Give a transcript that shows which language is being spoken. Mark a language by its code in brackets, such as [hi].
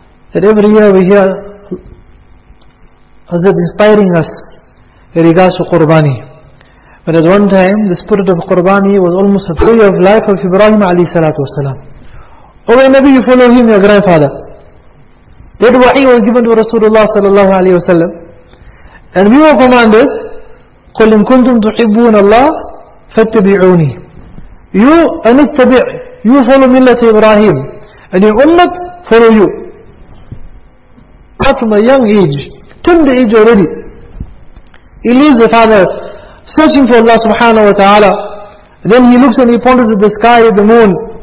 [en] That every year we hear Hazrat inspiring us in regards to Qurbani. But at one time, the spirit of Qurbani was almost a tree of life of Ibrahim alayhi salatu wasalam. O Nabi, you follow him, your grandfather. That wa'i was given to Rasulullah sallallahu alayhi wasalam. And we were commanded, [ar] قُلْ إِن كُنْتُمْ تُحِبُّونَ اللَّهِ فَاتَّبِعُونِي. [en] You, anittabi', you follow millat Ibrahim. And your ummat follow you. From a young age, tender age already, he leaves the father searching for Allah subhanahu wa ta'ala. Then he looks and he ponders at the sky, the moon.